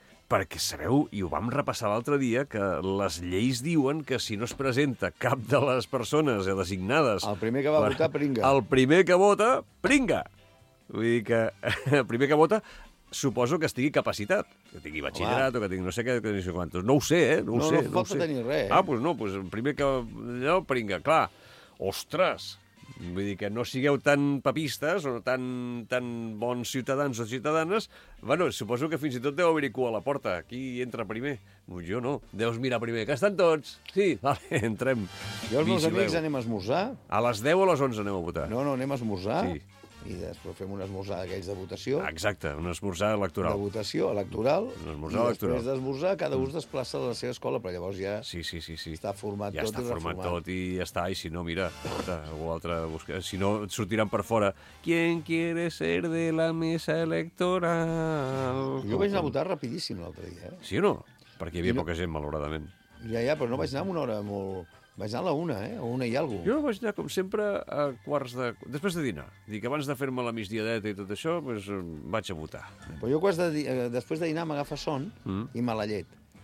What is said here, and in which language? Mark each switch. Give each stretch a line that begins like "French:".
Catalan: Perquè sabeu, i ho vam repassar l'altre dia, que les lleis diuen que si no es presenta cap de les persones designades... El primer que va votar, pringa. El primer que vota, pringa. Vull dir que el primer que vota suposo que estigui capacitat. Que tingui batxillerat o que tingui no sé què. No ho sé, eh? No ho sé. No pot tenir res. Ah, doncs no, doncs el primer que... Allò, pringa, clar. Ostres! Vull dir que no sigueu tan papistes o tan bons ciutadans o ciutadanes. Bueno, suposo que fins i tot deu haver-hi cua a la porta. Qui entra primer? Jo no. Deus mirar primer. Que estan tots? Sí, vale, entrem. I els meus amics anem a esmorzar. A les 10 o a les 11 anem a votar. No, anem a esmorzar. Sí. I després fem un esmorzar d'aquells de votació. Exacte, un esmorzar electoral. De votació, electoral. Un esmorzar electoral. I després d'esmorzar, cada un es desplaça de la seva escola, però llavors ja sí. Està format ja tot. Ja està format tot i ja està. I si no, mira, algú altre busca. Si no, et sortiran per fora.
Spanish: ¿Quién quiere ser de la mesa electoral?
Catalan: Jo vaig anar a votar rapidíssim l'altre dia. Sí o no? Perquè hi havia poca gent, malauradament. Ja, però no vaig anar en una hora molt... Vaig anar a la una, eh? A una i algo. Jo vaig anar, com sempre, a quarts de... Després de dinar. Dic, abans de fer-me la migdiadeta i tot això, doncs vaig a votar. Però jo quarts de... Després de dinar m'agafa son i mala llet.